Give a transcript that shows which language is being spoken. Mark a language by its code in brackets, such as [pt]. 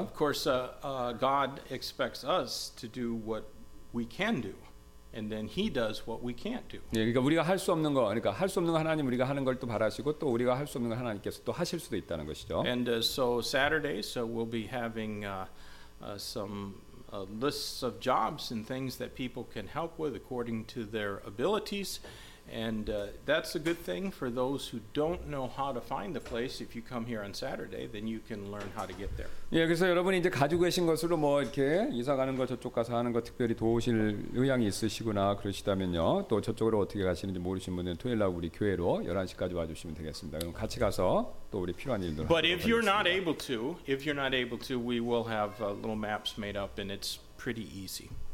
[en] Of course, God expects us to do what we can do. And then he does what we can't do. [ko] 예, 그러니까 우리가 할 수 없는 거, 그러니까 할 수 없는 거 하나님 우리가 하는 걸 또 바라시고 또 우리가 할 수 없는 거 하나님께서 또 하실 수도 있다는 것이죠. [en] And so Saturday, so we'll be having some lists of jobs and things that people can help with according to their abilities. And that's a good thing for those who don't know how to find the place. If you come here on Saturday, then you can learn how to get there. [ko] 예, 그래서 여러분이 이제 가지고 계신 것으로 뭐 이렇게 이사 가는 거 저쪽 가서 하는 거 특별히 도우실 의향이 있으시거나 그러시다면요, 또 저쪽으로 어떻게 가시는지 모르신 분은 토요일 날 우리 교회로 11시까지 와주시면 되겠습니다. 그럼 같이 가서 또 우리 필요한 일들. [en] But if you're not able to, if you're not able to, we will have little maps made up, and it's pretty easy.